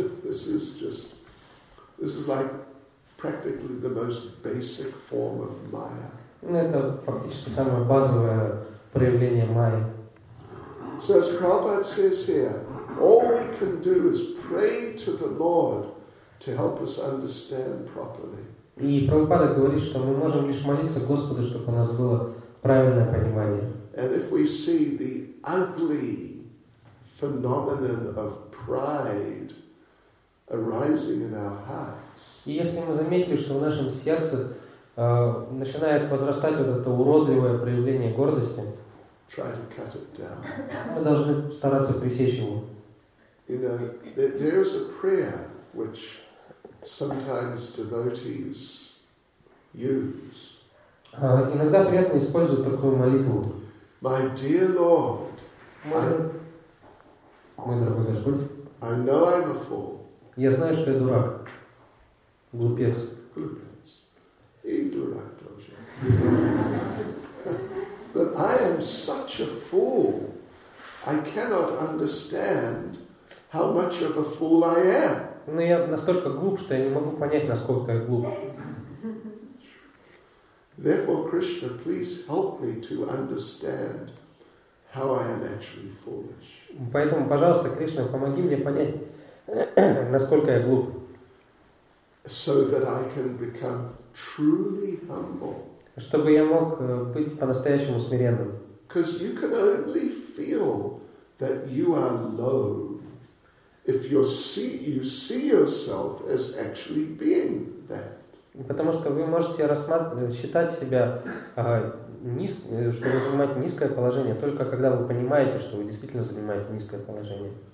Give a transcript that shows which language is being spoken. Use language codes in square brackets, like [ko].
[en] This is like practically the most basic form of Maya. [ru] Это практически самое базовое проявление Майи. [en] So as Prabhupada says here, all we can do is pray to the Lord to help us understand properly. [ru] И Прабхупада говорит, что мы можем лишь молиться Господу, чтобы у нас было правильное понимание. [en] And if we see the ugly phenomenon of pride arising in our hearts. [ru] И если мы заметили, что в нашем сердце начинает возрастать вот это уродливое проявление гордости, [en] try to cut it down. [ru] Мы должны стараться пресечь его. [en] You know, there is a prayer which sometimes devotees use. [ru] Иногда приятно использовать такую молитву. [en] My dear Lord, [ru] мой дорогой Господь, [en] I know I'm a fool. [ru] Я знаю, что я дурак. Глупец. Глупец. И дурак тоже. [en] But I am such a fool. I cannot understand how much of a fool I am. [ru] Но я настолько глуп, что я не могу понять, насколько я глуп. [en] Therefore, Krishna, please help me to understand how I am actually foolish. [ru] Поэтому, пожалуйста, Кришна, помоги мне понять, насколько я глуп. [en] So that I can become truly humble. [ru] Чтобы я мог быть по-настоящему смиренным. [en] Because you can only feel that you are low if you see yourself as actually being that. [ru] Потому что вы можете считать себя что вы занимаете низкое положение, только когда вы понимаете, что вы действительно занимаете низкое положение.